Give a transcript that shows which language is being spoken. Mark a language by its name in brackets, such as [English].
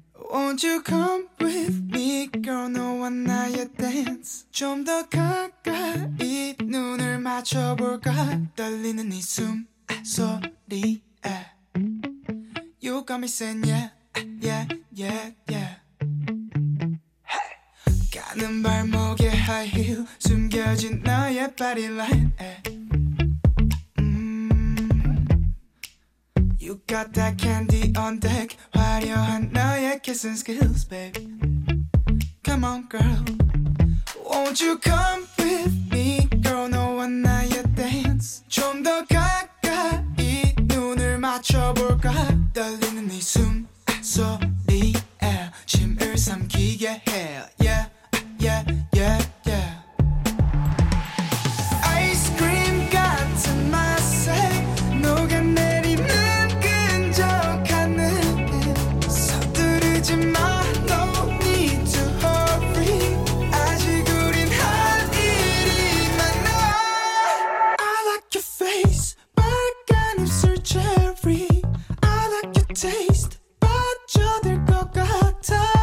[English] Won't you come with me, girl, no one now you dance. [Korean] 좀 더 가까이 눈을 맞춰볼까, 떨리는 이 숨소리에. [English] You got me saying yeah, yeah, yeah, yeah. [Korean] 가는 발목에 high heel 숨겨진 너의 body line. [English] You got that candy on deck [Korean] 화려한 너의 [English] kissing skills, babe. Come on, girl. Won't you come with me, girl? No one now you dance. [Korean] 좀 더 가까이 눈을 맞춰볼까? 떨리는 네 숨소리에 침을 삼키게 해. [English] Yeah. Yeah, yeah, yeah. [Korean] Ice cream 같은 맛에 녹아내리는 끈적한 느낌. 서두르지 마, [English] no need to hurry. [Korean] 아직 우린 할 일이 많아. [English] I like your face, [Korean] 빨간 입술 cherry. [English] I like your taste, [Korean] 빠져들 것 같아.